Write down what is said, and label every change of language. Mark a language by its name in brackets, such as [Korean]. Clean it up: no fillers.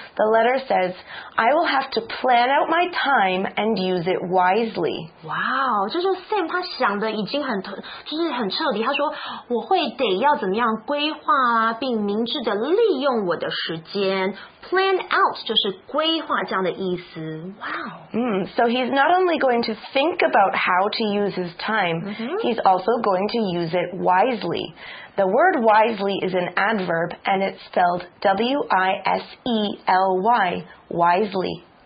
[English] The letter says, I will have to plan out my time and use it wisely. [Chinese] Wow, 就是 Sam 他想的已经很就是很彻底，他说我会得要怎么样规划啊，并明智的利用我的时间。 [English] Plan out [Chinese] 就是规划这样的意思。Wow. [English] So he's not only going to think about how to use his time, he's also going to use it wisely. The word wisely is an adverb, and it's spelled W-I-S-E-L-Y, wisely.